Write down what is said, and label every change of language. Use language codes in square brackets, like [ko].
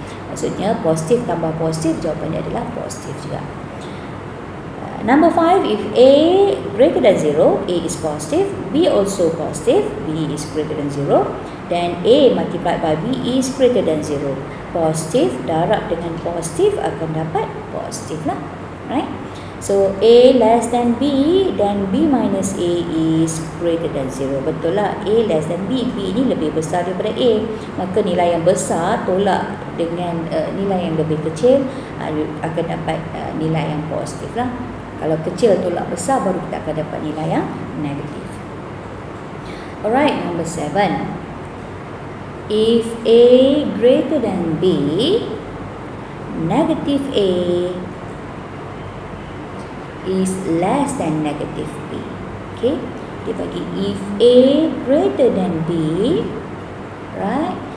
[ms] Maksudnya positive tambah positive, jawapan dia adalah positive juga. [en] Number 5, if A greater than 0, A is positive, B also positive, B is greater than 0, then A multiplied by B is greater than 0. [ms] Positive, darab dengan positive akan dapat positive lah. [en] Right? So, A less than B, then B minus A is greater than 0. [ms] Betul lah, [en] A less than B, [ms] B ni lebih besar daripada A. Maka nilai yang besar tolak dengan nilai yang lebih kecil, akan dapat nilai yang positif lah. Kalau kecil tolak besar, baru kita akan dapat nilai yang negatif. [en] Alright, number 7. If A greater than B, negative A is less than negative B. Okay, [ms] dia bagi [en] if A greater than B, right?